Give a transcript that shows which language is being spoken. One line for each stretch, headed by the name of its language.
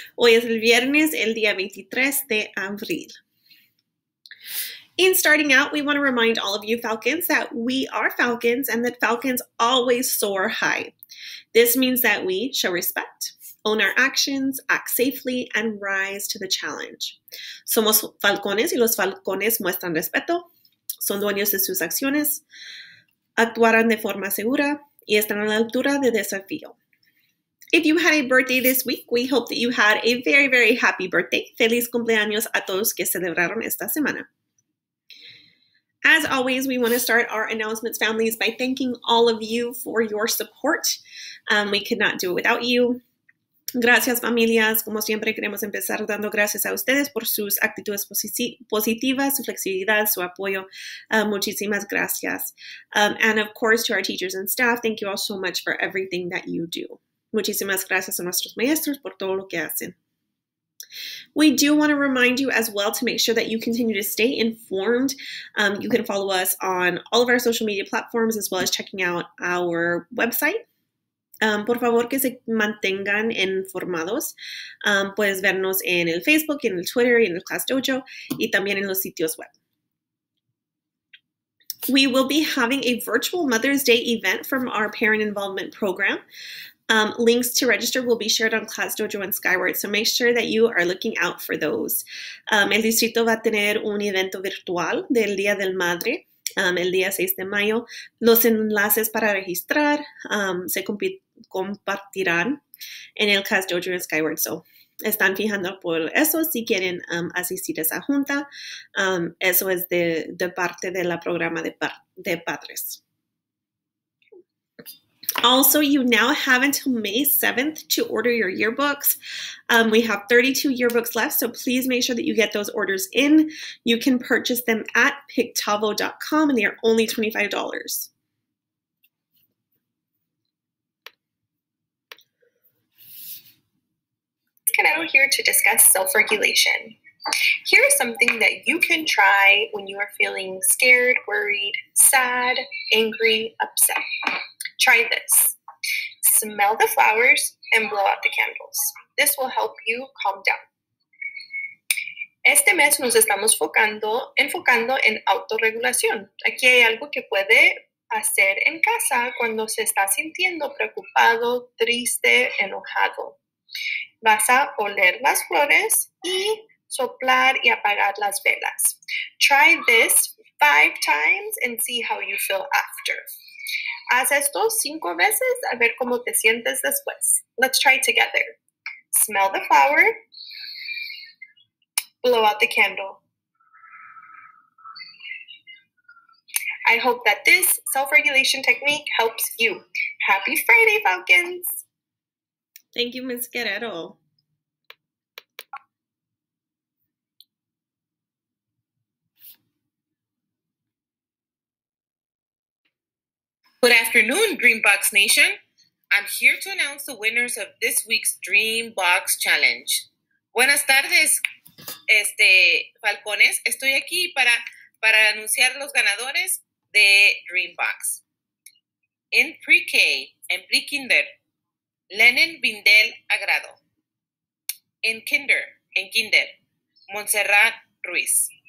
Spanish: Hoy es el viernes, el día 23 de abril.
English: In starting out, we want to remind all of you Falcons that we are Falcons and that Falcons always soar high. This means that we show respect, own our actions, act safely, and rise to the challenge.
Spanish: Somos falcones y los falcones muestran respeto, son dueños de sus acciones, actuarán de forma segura y están a la altura de desafío.
English: If you had a birthday this week, we hope that you had a very, very happy birthday.
Spanish: Feliz cumpleaños a todos que celebraron esta semana.
English: As always, we want to start our announcements, families, by thanking all of you for your support. We could not do it without you.
Spanish: Gracias, familias. Como siempre, queremos empezar dando gracias a ustedes por sus actitudes positivas, su flexibilidad, su apoyo. Muchísimas gracias.
English: And of course, to our teachers and staff, thank you all so much for everything that you do.
Spanish: Muchísimas gracias a nuestros maestros por todo lo que hacen.
English: We do want to remind you as well to make sure that you continue to stay informed. You can follow us on all of our social media platforms as well as checking out our website.
Spanish: Por favor, que se mantengan informados. Puedes vernos en el Facebook, en el Twitter, en el Class Dojo, y también en los sitios web.
English: We will be having a virtual Mother's Day event from our Parent Involvement Program. Links to register will be shared on Class Dojo and Skyward, so make sure that you are looking out for those.
Spanish: El distrito va a tener un evento virtual del Día del Madre. El día 6 de mayo, los enlaces para registrar se compartirán en el Class Dojo en Skyward. So, están fijando por eso si quieren asistir a esa junta. Eso es de parte del programa de padres.
English: Also, you now have until May 7th to order your yearbooks. We have 32 yearbooks left, so please make sure that you get those orders in. You can purchase them at Pictavo.com and they are only $25. Out here to discuss self-regulation. Here is something that you can try when you are feeling scared, worried, sad, angry, upset. Try this. Smell the flowers and blow out the candles. This will help you calm down.
Spanish: Este mes nos estamos enfocando en autorregulación. Aquí hay algo que puede hacer en casa cuando se está sintiendo preocupado, triste, enojado. Vas a oler las flores y soplar y apagar las velas.
English: Try this 5 times and see how you feel after.
Spanish: Haz esto 5 veces a ver cómo te sientes después.
English: Let's try it together. Smell the flower. Blow out the candle. I hope that this self-regulation technique helps you. Happy Friday, Falcons! Thank you, Ms. Guerrero. Good afternoon, Dreambox Nation. I'm here to announce the winners of this week's Dreambox Challenge.
Spanish: Buenas tardes, Falcones. Estoy aquí para anunciar los ganadores de Dreambox.
English: In pre-K and pre-kinder, Lennon Vindel Agrado. In kinder, Montserrat Ruiz.